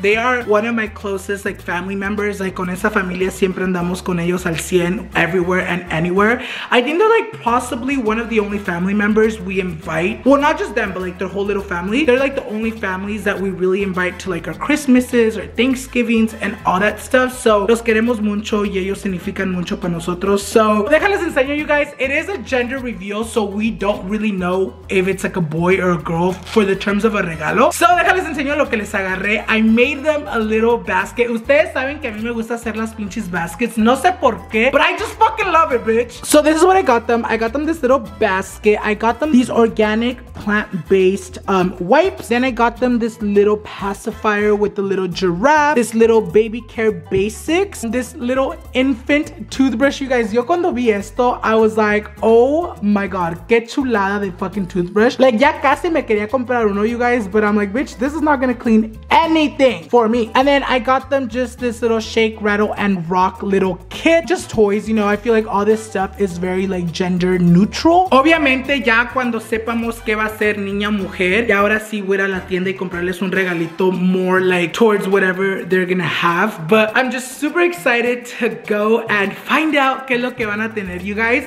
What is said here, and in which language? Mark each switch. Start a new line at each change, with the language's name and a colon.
English: They are one of my closest, like, family members. Like,
Spanish: con esa familia siempre andamos con ellos al 100,
English: everywhere and anywhere. I think they're, like, possibly one of the only family members we invite. Well, not just them, but, like, their whole little family. They're, like, the only families that we really invite to, like, our Christmases, our Thanksgivings, and all that stuff.
Spanish: So, los queremos mucho y ellos significan mucho para nosotros.
English: So,
Spanish: déjales enseñar,
English: you guys. It is a gender reveal, so we don't really know if it's, like, a boy or a girl for the terms of a regalo. So,
Spanish: déjales enseño lo que les agarré.
English: I made them a little basket.
Spanish: Ustedes saben que a mí me gusta hacer las pinches baskets. No sé por qué,
English: but I just fucking love it, bitch. So, this is what I got them. I got them this little basket. I got them these organic plant-based wipes. Then I got them this little pacifier with the little giraffe. This little baby care basics. This little infant toothbrush, you guys.
Spanish: Yo cuando vi esto,
English: I was like, oh my God.
Spanish: Qué chulada de fucking toothbrush. Like, ya casi me quería comprar uno,
English: you guys. But I'm like, bitch, this is not gonna clean anything for me. And then I got them just this little shake, rattle, and rock little kit. Just toys, you know. I feel like all this stuff is very, like, gender neutral.
Spanish: Obviamente, ya cuando sepamos que va a ser niña o mujer, ya ahora sí voy a la tienda y comprarles un regalito
English: more, like, towards whatever they're gonna have. But I'm just super excited to go and find out
Spanish: qué es lo que van a tener,
English: you guys.